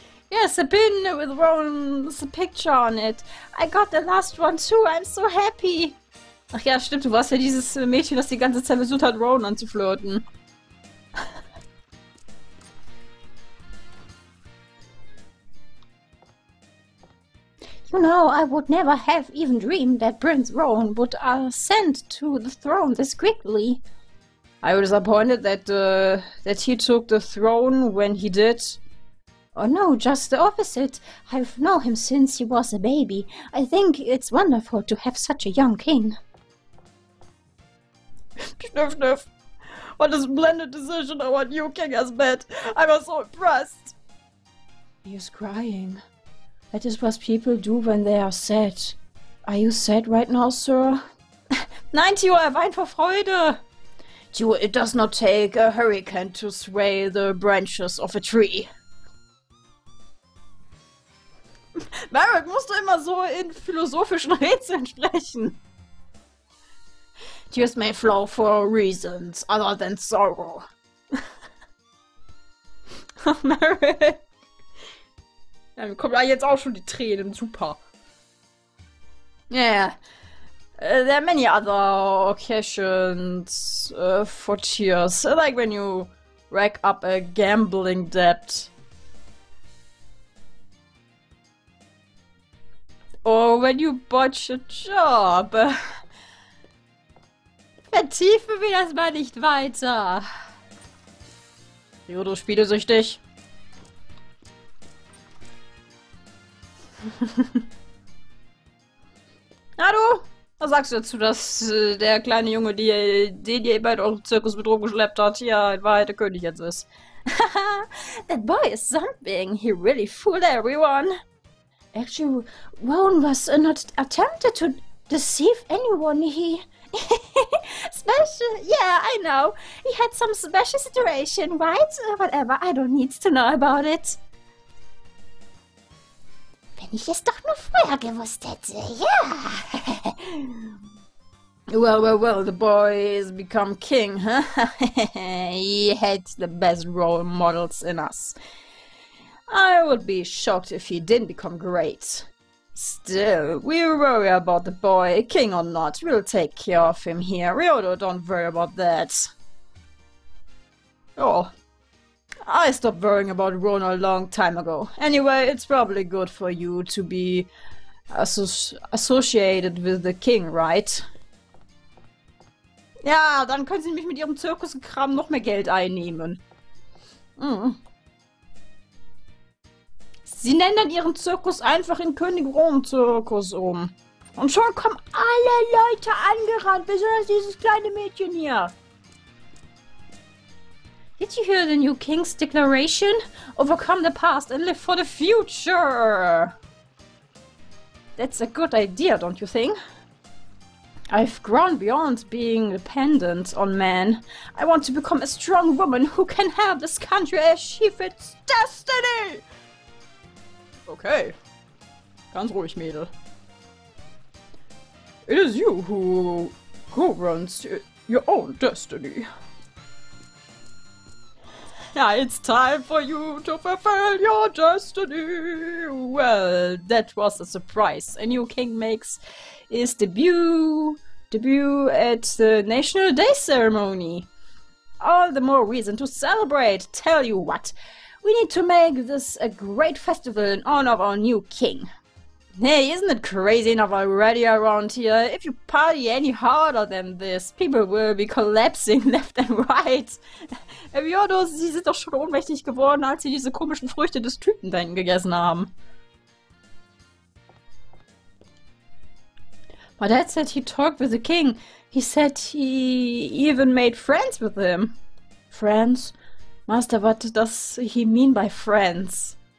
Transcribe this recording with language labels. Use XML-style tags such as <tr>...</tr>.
<en>Yes, a pin with Roan's picture on it. I got the last one too. I'm so happy.</en> <de>Ach ja, stimmt. Du warst ja dieses Mädchen, das die ganze Zeit versucht hat, Roan anzuflirten.</de> <en>You know, I would never have even dreamed that Prince Roan would ascend to the throne this quickly. I was disappointed that he took the throne when he did. Oh no, just the opposite. I've known him since he was a baby. I think it's wonderful to have such a young king. Schniff, schniff. What a splendid decision our new king has made. I was so impressed. He is crying. That is what people do when they are sad. Are you sad right now, sir?</en> <de>Nein, Tio, er weint vor Freude.</de> <en>Tio, it does not take a hurricane to sway the branches of a tree.</en> <de>Merrick, musst du immer so in philosophischen Rätseln sprechen?</de> <en>Tears may flow for reasons other than sorrow. Merrick.</en> <de>Ja, mir kommen jetzt auch schon die Tränen, super.</de> <en>Yeah, there are many other occasions for tears. Like when you rack up a gambling debt. Or when you botch a job.</en> <de>Vertiefen wir das mal nicht weiter. Rio, du spielesüchtig. Na du, was sagst du dazu, dass der kleine Junge, den ihr bei eurem Zirkus mit rumgeschleppt hat, hier in Wahrheit der König jetzt ist?</de> <en>That boy is something. He really fooled everyone. Actually, Roan was not attempted to deceive anyone. He special, yeah, I know. He had some special situation, right? Whatever, I don't need to know about it.</en> <de>Wenn ich es doch nur früher gewusst hätte, ja!</de> <en>Well, the boy has become king, huh? He had the best role models in us. I would be shocked if he didn't become great. Still, we worry about the boy, king or not. We'll take care of him here. Ryodo, don't worry about that. Oh. I stopped worrying about Roan a long time ago. Anyway, it's probably good for you to be associated with the king, right?</en> <de>Ja, dann können sie mich mit ihrem Zirkuskram noch mehr Geld einnehmen. Mm. Sie nennen dann ihren Zirkus einfach in König Roan Zirkus um. Und schon kommen alle Leute angerannt, besonders dieses kleine Mädchen hier.</de> <en>Did you hear the new king's declaration? Overcome the past and live for the future! That's a good idea, don't you think? I've grown beyond being dependent on men. I want to become a strong woman who can help this country achieve its destiny!</en> <de>Okay. Ganz ruhig, Mädel.</de> <en>It is you who governs your own destiny. Yeah, it's time for you to fulfill your destiny. Well, that was a surprise. A new king makes his debut at the National Day ceremony. All the more reason to celebrate. Tell you what, we need to make this a great festival in honor of our new king. Hey, isn't it crazy enough already around here? If you party any harder than this, people will be collapsing left and right.</en> <de>Eviodo, sie sind doch schon ohnmächtig geworden, als sie diese komischen Früchte des Typen da gegessen haben.</de> <en>My dad said he talked with the king. He said he even made friends with him. Friends? Master, what does he mean by friends?</en>